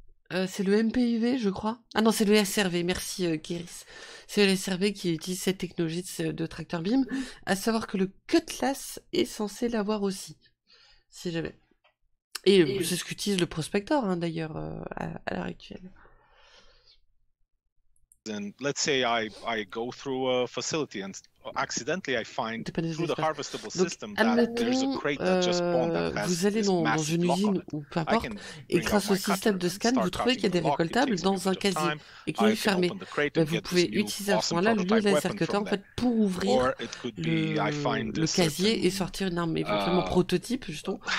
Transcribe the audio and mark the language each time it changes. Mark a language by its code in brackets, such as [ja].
[fr] C'est le MPIV, je crois. Ah non, c'est le SRV, merci Kéris. C'est le SRV qui utilise cette technologie de tracteur beam. À savoir que le Cutlass est censé l'avoir aussi, si jamais. Et c'est ce qu'utilise le Prospector, hein, d'ailleurs, à l'heure actuelle. [en] And let's say I go through a facility and accidentally I find through the harvestable system that there's a crate that just spawned that has [fr] vous allez dans une usine ou peu importe et grâce au système de scan vous trouvez qu'il y a des récoltables dans un casier et qu'il est fermé. Vous pouvez utiliser à ce moment-là le laser cutter en fait pour ouvrir le casier et sortir une arme éventuellement prototype justement.